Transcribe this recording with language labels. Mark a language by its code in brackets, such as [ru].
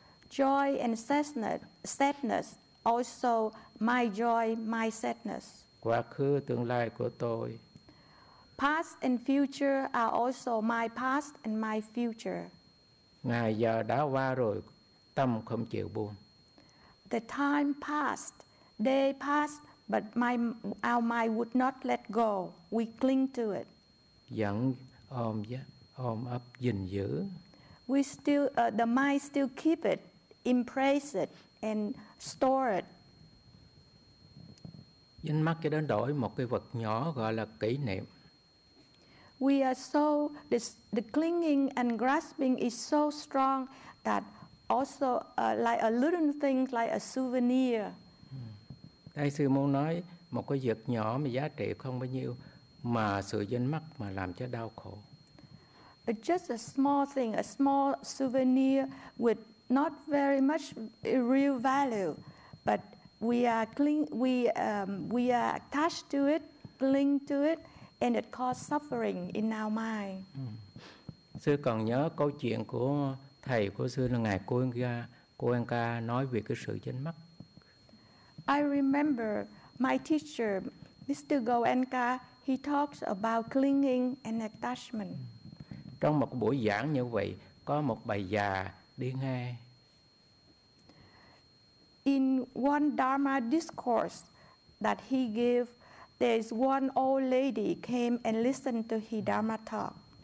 [en] Joy and sadness, also my joy, my sadness. [vi] Quá khứ, tương lai của tôi. [en] Past and future are also my past and my future. [vi] Ngày giờ đã qua rồi, tâm không chịu buông. [en] The time passed, day passed, but our mind would not let go. We cling to it. [vi] Vẫn ôm ấp gìn giữ. [en] We still, the mind still keep it, embrace it, and store it. [vi] Dính mắc cho đến đổi một cái vật nhỏ gọi là kỷ niệm. [en] We are so, the clinging and grasping is so strong that also like a little thing, like a souvenir. [vi] Đây sư muốn nói một cái vật nhỏ mà giá trị không bao nhiêu mà sự dính mắc mà làm cho đau khổ. [en] It's just a small thing, a small souvenir with not very much real value, but we are attached to it, cling to it, and it caused suffering in our mind. [vi] Sư còn nhớ câu chuyện của thầy của sư là ngài Cô Anh Ca nói về cái sự dính mắc. [en] I remember my teacher, Mr. Go Anh Ca, he talks about clinging and attachment. [vi] Trong một buổi giảng như vậy, có một bà già đi nghe. [en] In one Dharma discourse that he gave, there is one old lady came and listened to his Dharma talk.